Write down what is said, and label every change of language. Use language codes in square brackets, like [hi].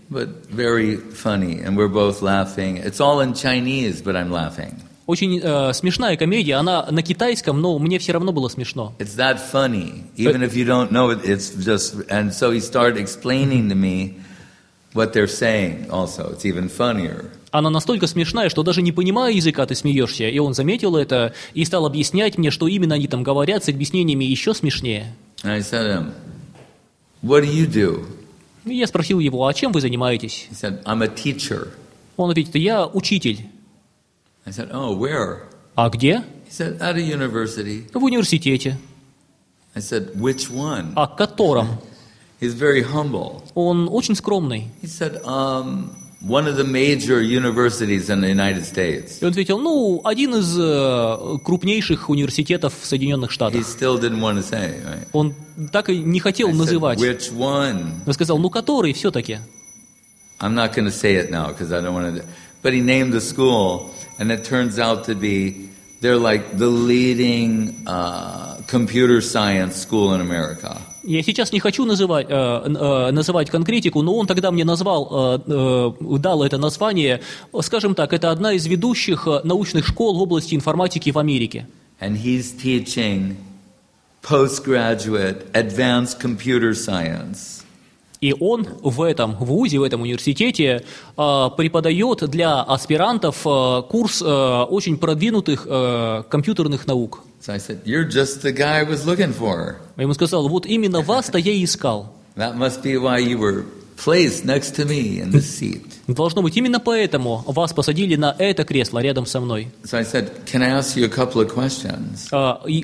[en] But very funny, and we're both laughing. It's all in Chinese, but I'm laughing. [ru] Очень смешная комедия, она на китайском, но мне все равно было смешно. [en] It's that funny, even if you don't know it, it's just, and so he started explaining to me what they're saying also, it's even funnier. [ru] Она настолько смешная, что даже не понимая языка, ты смеешься. И он заметил это и стал объяснять мне, что именно они там говорят, с объяснениями еще смешнее. [en] I said to him, what do you do? [ru] И я спросил его, а чем вы занимаетесь? [en] He said, I'm a teacher. [ru] Он ответит, я учитель. [en] I said, oh, where? [ru] А где? [en] He said, at a university. [ru] В университете. [en] I said, which one? [ru] А котором? [en] He's very humble. [ru] Он очень скромный. [en] He said, one of the major universities in the United States. [ru] И он ответил, ну, один из крупнейших университетов в Соединенных Штатах. [en] He still didn't want to say, right? [ru] Он так и не хотел [en] I [ru] называть. [en] Said, which one? [ru] Он сказал, ну, который все-таки. [en] I'm not going to say it now, because I don't want to... But he named the school, and it turns out to be, they're like the leading computer science school in America. [ru] Я сейчас не хочу называть конкретику, но он тогда мне назвал, дал это название. Скажем так, это одна из ведущих научных школ в области информатики в Америке. [en] And he's teaching postgraduate advanced computer science. [ru] И он в этом вузе, в этом университете преподает для аспирантов курс очень продвинутых компьютерных наук. [en] So I said, "You're just the guy I was looking for." [ru] Я ему сказал, вот именно вас-то я и искал. [en] That must be why you were placed next to me in the seat. [ru] Должно быть, именно поэтому вас посадили на это кресло рядом со мной. [en] So I said, "Can I ask you a couple of questions?"